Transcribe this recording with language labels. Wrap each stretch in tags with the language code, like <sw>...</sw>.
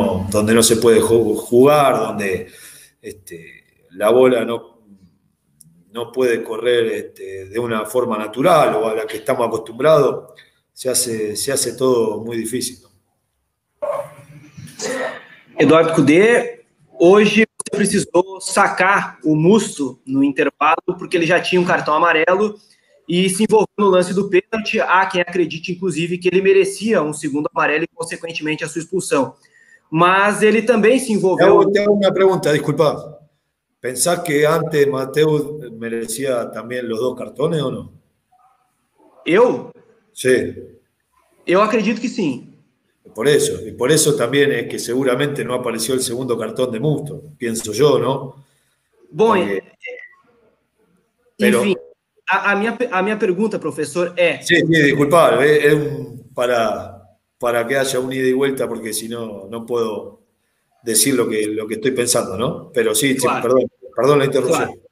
<es>Donde no se puede jugar, donde la bola no no puede correr de una forma natural o a la que estamos acostumbrados, se hace todo muy difícil, ¿no?</es> <pt>Eduardo Cudê, hoje você precisou sacar o Musto no intervalo, porque ele já tinha um cartão amarelo e se envolveu no lance do pênalti. Há quem acredite, inclusive, que ele merecia um segundo amarelo e, consequentemente, a sua expulsão. Mas ele também se envolveu... Eu tenho uma pergunta, desculpa. Pensar que antes Mateus merecia também os dois cartões ou não? Eu? Sim. Eu acredito que sim.</pt> <es>Por eso, y por eso también es que seguramente no apareció el segundo cartón de Musto, pienso yo, ¿no? Bueno, pero, en fin, a mi pregunta, profesor, es... Sí, disculpad, para que haya un ida y vuelta, porque si no, no puedo decir lo que estoy pensando, ¿no? Pero sí, claro. perdón la interrupción.</es>